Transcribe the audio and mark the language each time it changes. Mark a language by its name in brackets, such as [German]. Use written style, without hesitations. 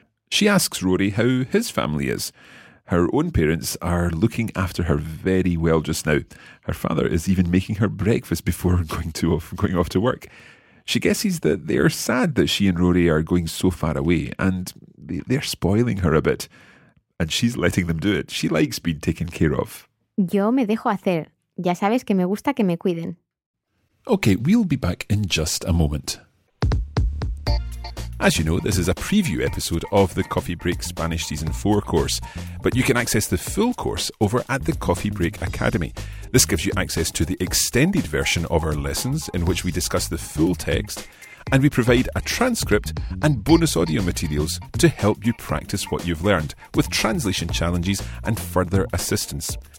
[English] She asks Rory how his family is. Her own parents are looking after her very well just now. Her father is even making her breakfast before going off to work. She guesses that they're sad that she and Rory are going so far away, and they're spoiling her a bit. And she's letting them do it. She likes being taken care of. [Spanish] Yo me dejo hacer. Ya sabes que me gusta que me cuiden. [English] Okay, we'll be back in just a moment. As you know, this is a preview episode of the Coffee Break Spanish Season 4 course, but you can access the full course over at the Coffee Break Academy. This gives you access to the extended version of our lessons, in which we discuss the full text, and we provide a transcript and bonus audio materials to help you practice what you've learned, with translation challenges and further assistance.